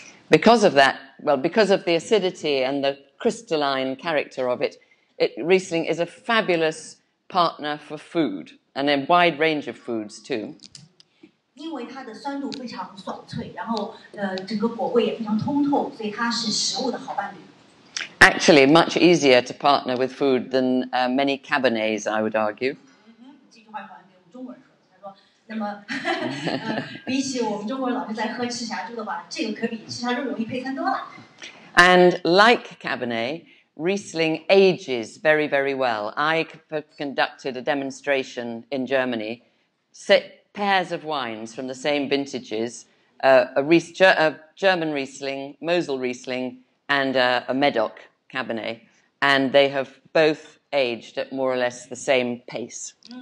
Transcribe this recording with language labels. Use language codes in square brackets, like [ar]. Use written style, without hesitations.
[en] Because of that, well, because of the acidity and the crystalline character of it, Riesling is a fabulous partner for food, and a wide range of foods too. [zh] 因为它的酸度非常爽脆，然后整个果味也非常通透，所以它是食物的好伴侣。 [en] Actually, much easier to partner with food than many cabernets, I would argue. [zh] 这句话好像给我们中国人说的，他说，那么比起我们中国人老是在喝赤霞珠的话，这个可比赤霞珠容易配餐多了。 [en] And like cabernet, Riesling ages very, very well. I conducted a demonstration in Germany. Pairs of wines from the same vintages, a German Riesling, Mosel Riesling, and a Medoc Cabernet, and they have both aged at more or less the same pace.